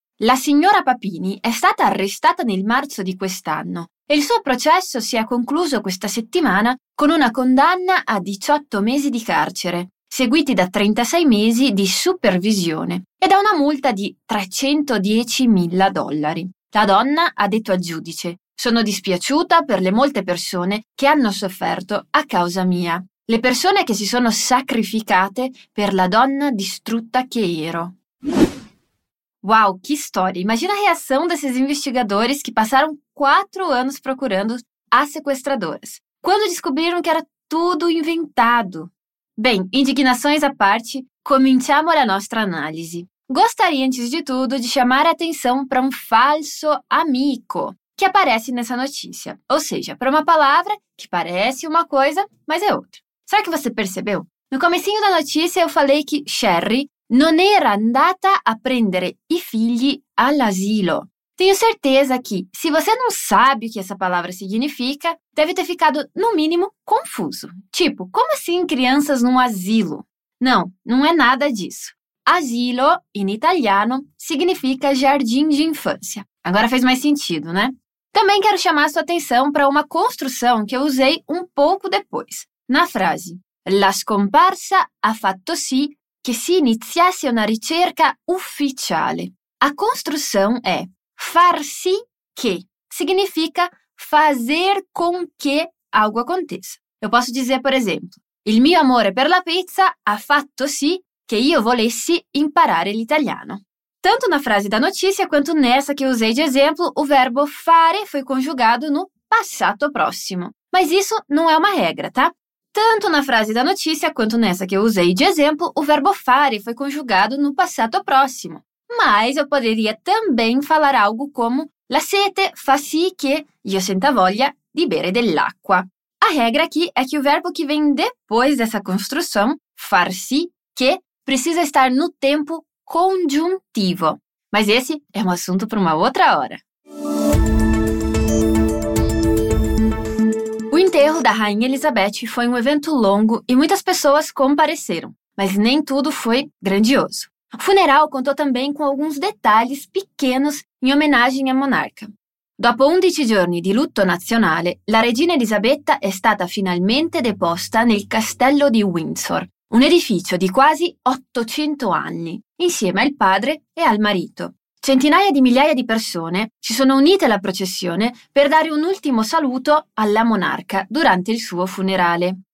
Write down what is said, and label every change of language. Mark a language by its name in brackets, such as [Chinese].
[Italian] La signora Papini è stata arrestata nel marzo di quest'anno e il suo processo si è concluso questa settimana con una condanna a 18 mesi di carcere, seguiti da 36 mesi di supervisione e da una multa di $310,000. La donna ha detto al giudice: «Sono dispiaciuta per le molte persone che hanno sofferto a causa mia, le persone che si sono sacrificate per la donna distrutta che ero». [Portuguese] Uau, que história! Imagina a reação desses investigadores que passaram 4 anos procurando as sequestradoras, quando descobriram que era tudo inventado. Bem, indignações à parte, [Italian] cominciamo la nostra analisi. [Portuguese] Gostaria, antes de tudo, de chamar a atenção para um [Italian] falso amico [Portuguese] que aparece nessa notícia, ou seja, para uma palavra que parece uma coisa, mas é outra. Será que você percebeu? No comecinho da notícia eu falei que Sherry [Italian] non era andata a prendere i figli all'asilo. [Portuguese] Tenho certeza que, se você não sabe o que essa palavra significa, deve ter ficado, no mínimo, confuso. Tipo, como assim crianças num asilo? Não, não é nada disso. Asilo, em italiano, significa jardim de infância. Agora fez mais sentido, né? Também quero chamar sua atenção para uma construção que eu usei um pouco depois. Na frase, [Italian] la scomparsa ha fatto sì che si iniziasse una ricerca ufficiale. [Portuguese] A construção é far sì che, significa fazer com que algo aconteça. Eu posso dizer, por exemplo, [Italian] il mio amore per la pizza ha fatto sì che io volessi imparare l'italiano. [Portuguese] Tanto na frase da notícia quanto nessa que eu usei de exemplo, o verbo fare foi conjugado no passato próximo. Mas isso não é uma regra, tá? Tanto na frase da notícia quanto nessa que eu usei de exemplo, o verbo fare foi conjugado no passato próximo. Mas eu poderia também falar algo como [Italian] la sete fa sì che io senta voglia di bere dell'acqua. [Portuguese] A regra aqui é que o verbo que vem depois dessa construção, far sì che, precisa estar no tempo conjuntivo. Mas esse é um assunto para uma outra hora. O enterro da Rainha Elizabeth foi um evento longo e muitas pessoas compareceram. Mas nem tudo foi grandioso. O funeral contou também com alguns detalhes pequenos em homenagem à monarca. [Italian] Dopo 11 giorni di lutto nazionale, la regina Elisabetta è stata finalmente deposta nel castello di Windsor, un edificio di quasi 800 anni, insieme al padre e al marito. Centinaia di migliaia di persone si sono unite alla processione per dare un ultimo saluto alla monarca durante il suo funerale.